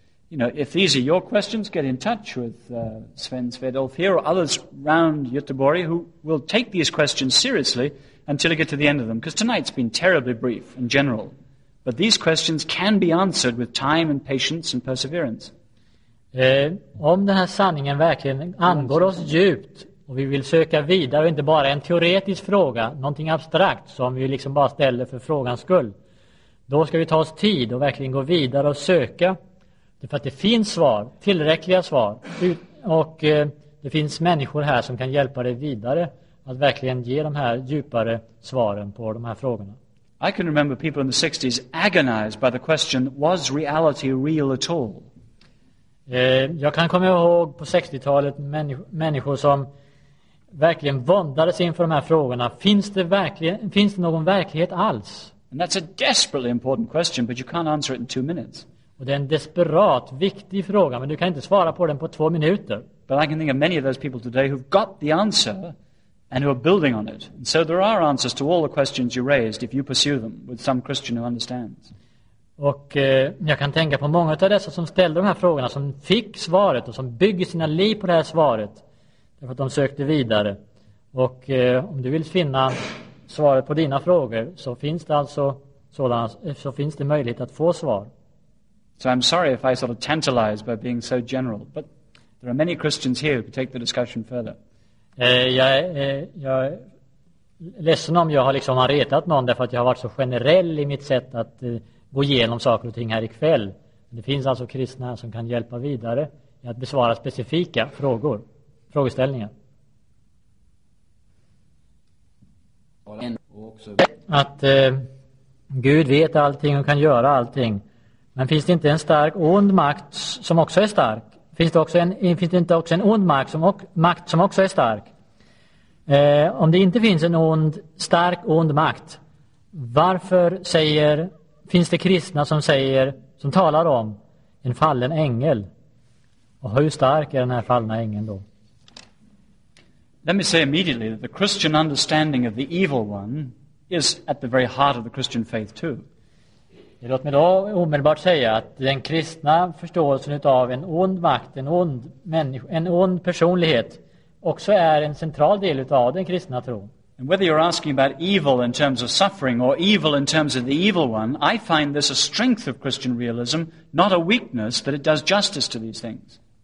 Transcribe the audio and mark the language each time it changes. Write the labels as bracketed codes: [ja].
[en] You know, if these are your questions, get in touch with Sven Svedolf here or others around Göteborg who will take these questions seriously until you get to the end of them, because tonight's been terribly brief and general. But these questions can be answered with time and patience and perseverance. [sv] Om den här sanningen verkligen angår oss djupt och vi vill söka vidare och inte bara en teoretisk fråga, någonting abstrakt som vi liksom bara ställer för frågans skull, då ska vi ta oss tid och verkligen gå vidare och söka, för att det finns svar, tillräckliga svar, och det finns människor här som kan hjälpa dig vidare att verkligen ge de här djupare svaren på de här frågorna. [en] I can remember people in the 60s agonized by the question, was reality real at all? [sv] Jag kan komma ihåg på 60-talet människor som verkligen våndades inför de här frågorna. Finns det någon verklighet alls? [en] And that's a desperately important question, but you can't answer it in 2 minutes. [sv] Och det är en desperat viktig fråga, men du kan inte svara på den på 2 minuter. [en] But I can think of many of those people today who've got the answer and who are building on it. And so there are answers to all the questions you raised if you pursue them with some Christian who understands. [sv] Och jag kan tänka på många av dessa som ställde de här frågorna, som fick svaret och som bygger sina liv på det här svaret, därför att de sökte vidare. Och om du vill finna svaret på dina frågor, så finns det alltså sådana, så finns det möjlighet att få svar. [en] So I'm sorry if I sort of tantalize by being so general, but there are many Christians here who take the discussion further. [sv] Jag är ledsen om jag har liksom retat någon, därför att jag har varit så generell i mitt sätt att gå igenom saker och ting här ikväll. Det finns alltså kristna här som kan hjälpa vidare i att besvara specifika frågor, frågeställningar. Att Gud vet allting och kan göra allting. Men finns det inte en stark ond makt som också är stark? Finns det inte också en ond makt som också är stark? Om det inte finns en stark ond makt, varför säger, finns det kristna som säger, som talar om en fallen ängel? Och hur stark är den här fallna ängeln då? [en] Let me say immediately that the Christian understanding of the evil one is at the very heart of the Christian faith too. [sv] Låt mig då omedelbart säga att den kristna förståelsen av en ond makt, en ond människa, en ond personlighet, också är en central del av den kristna tron. [en] And whether you're asking about evil in terms of suffering or evil in terms of the evil one, I find this a strength of Christian realism, not a weakness, that it does justice to these things.